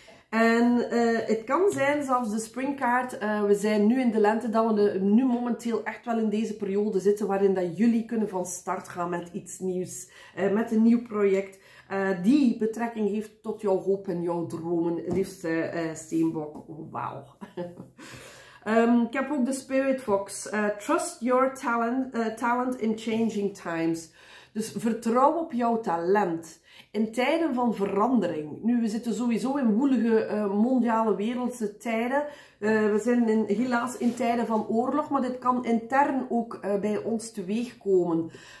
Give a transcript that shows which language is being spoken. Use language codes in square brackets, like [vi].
[nl] En het kan zijn, zelfs de springkaart, we zijn nu in de lente, dat we nu momenteel echt wel in deze periode zitten waarin dat jullie kunnen van start gaan met iets nieuws, met een nieuw project die betrekking heeft tot jouw hoop en jouw dromen, liefste Steenbok. Wauw. ik heb ook de Spirit Fox. [en] Trust your talent in changing times. [nl] Dus vertrouw op jouw talent. In tijden van verandering. Nu, we zitten sowieso in woelige mondiale wereldse tijden. We zijn helaas in tijden van oorlog, maar dit kan intern ook bij ons teweeg komen.